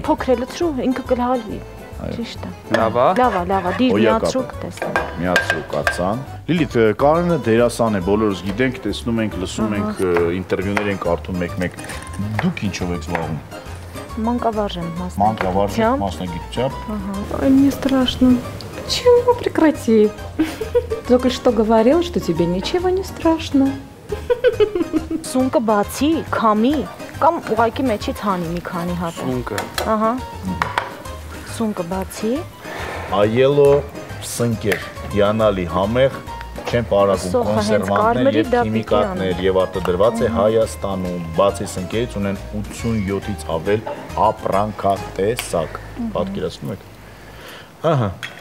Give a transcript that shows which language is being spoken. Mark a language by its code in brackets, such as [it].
[hy] Մի փոքրելը ծրու, ինքը կհալի։ Ճիշտ է։ Լավ է։ Լավ է, լավ է, դի միացուկ տեսնեմ։ Միացուկ ածան։ Լիլիթ, Կարենը դերասան է, բոլորս գիտենք, տեսնում ենք, լսում ենք, ինտերվյուներ ենք արդում մեկ-մեկ։ Դուք ինչով եք զբաղվում։ Մանկավարժ եմ, մասնագիտությամբ։ [ru] Ահա։ Ой, мне страшно. Почему? Прекрати. Только что говорил, что тебе ничего не страшно. [hy] Սունկը բացի, քամի կամ ուղակի մեջից հանի մի քանի հատ։ Սունկը։ Ահա։ Սունկը բացի։ Այելո սնկեր, յանալի համեղ, չեմ պարագում կոնսերվանտներ եւ քիմիկատներ եւ արտադրված է Հայաստանում, բացի սնկերից ունեն 87-ից ավել ապրանքատեսակ։ Պատկերացնու՞մ եք։ Ահա։